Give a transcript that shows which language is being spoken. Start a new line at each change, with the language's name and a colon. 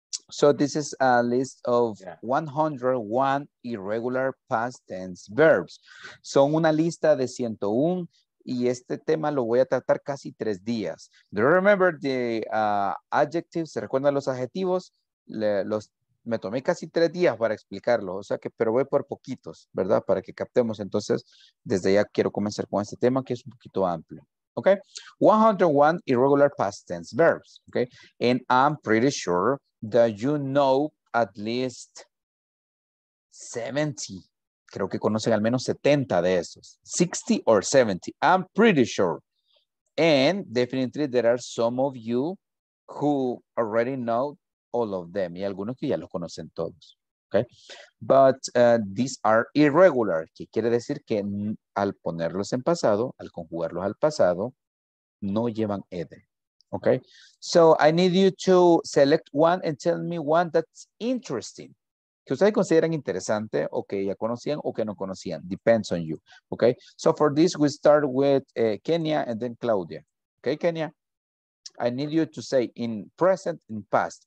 English: So this is a list of 101 irregular past tense verbs.
Spanish: Son una lista de 101 y este tema lo voy a tratar casi 3 días.
English: Do you remember the adjectives?
Spanish: ¿Se recuerdan los adjetivos? Me tomé casi 3 días para explicarlo, o sea que, pero voy por poquitos, ¿verdad? Para que captemos. Entonces, desde ya quiero comenzar con este tema que es un poquito amplio.
English: Ok. 101 irregular past tense verbs. Ok. And I'm pretty sure that you know at least 70.
Spanish: Creo que conocen al menos 70 de esos. 60 or 70.
English: I'm pretty sure. And definitely there are some of you who already know all of them.
Spanish: Y algunos que ya los conocen todos. Ok.
English: But these are irregular.
Spanish: ¿Qué quiere decir? Que al ponerlos en pasado, al conjugarlos al pasado, no llevan ed. Ok.
English: So I need you to select one and tell me one that's interesting.
Spanish: Que ustedes consideran interesante o que ya conocían o que no conocían.
English: Depends on you. Ok. So for this, we start with Kenya and then Claudia. Ok, Kenya. I need you to say in present and past.